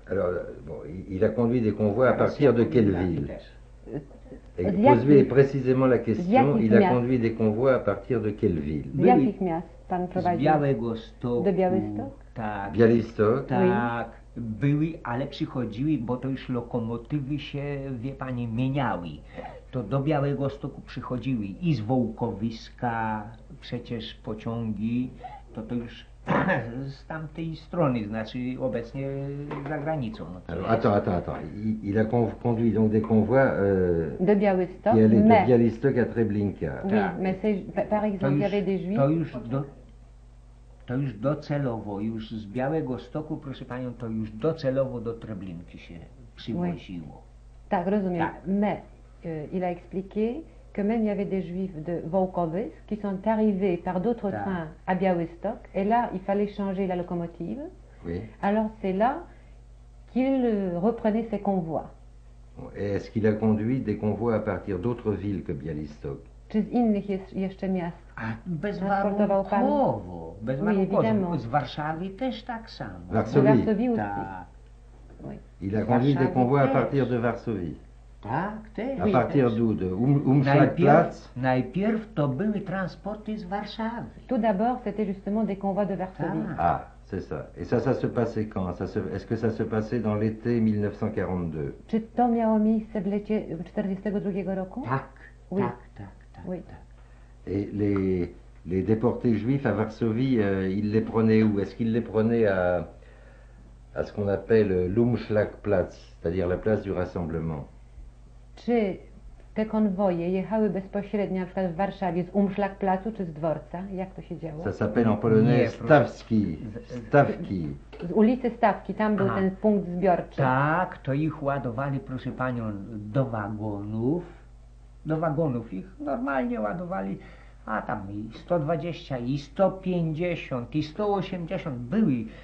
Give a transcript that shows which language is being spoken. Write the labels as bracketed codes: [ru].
[fr] Alors, bon, il a conduit des convois à partir de quelle ville? Et posez précisément la question, il a conduit des convois à partir de quelle ville? [pl] Z jakich miast pan prowadził? Z Białegostoku. Do Białystok? Tak. Białystok? Tak. Były, ale przychodziły, bo to już lokomotywy się, wie pani, mieniały. To do Białegostoku przychodziły i z Wołkowiska, przecież pociągi, to już... Z tamtej strony, znaczy obecnie za granicą. No [fr] alors, attends. Il a conduit donc des convois de Białystok, qui allaient de Białystok à Treblinka. Oui, mais c'est, par exemple, il y avait des Juifs. [pl] To już docelowo, już z Białegostoku, proszę panią, to już docelowo do Treblinki się przywoziło. Oui. Tak, rozumiem. Tak. [fr] Mais, il a expliqué que même il y avait des Juifs de Wołkowysk qui sont arrivés par d'autres trains à Białystok, et là, il fallait changer la locomotive. Oui. Alors, c'est là qu'il reprenait ses convois. Et est-ce qu'il a conduit des convois à partir d'autres villes que Białystok? [pl] Czy z innych jeszcze miast? Bezwarunkowo. Z Warszawy też tak samo. Warszawie. [fr] Oui. Il a conduit des convois à partir de Varsovie. [pl] Tak, też. [fr] A partir d'où? Umschlagplatz? [pl] Najpierw to były transporty z Warszawy. [fr] Tout d'abord, c'était justement des convois de Varsovie. Ah, c'est ça. Et ça se passait quand? Est-ce que ça se passait dans l'été 1942? [pl] Czy to miało miejsce w lecie 1942 roku? Tak, [fr] oui. [pl] Tak. [fr] Oui. Et les déportés juifs à Varsovie, ils les prenaient où? Est-ce qu'ils les prenaient à ce qu'on appelle l'Umschlagplatz, c'est-à-dire la place du rassemblement? [pl] Czy te konwoje jechały bezpośrednio na przykład w Warszawie z Umschlagplatzu czy z dworca? Jak to się działo? [fr] Ça s'appelle en polonais Stawski. [pl] Stawki. Z ulicy Stawki, tam był ten punkt zbiorczy. Tak, to ich ładowali, proszę panią, do wagonów. Do wagonów ich normalnie ładowali, a tam i 120, i 150, i 180 były.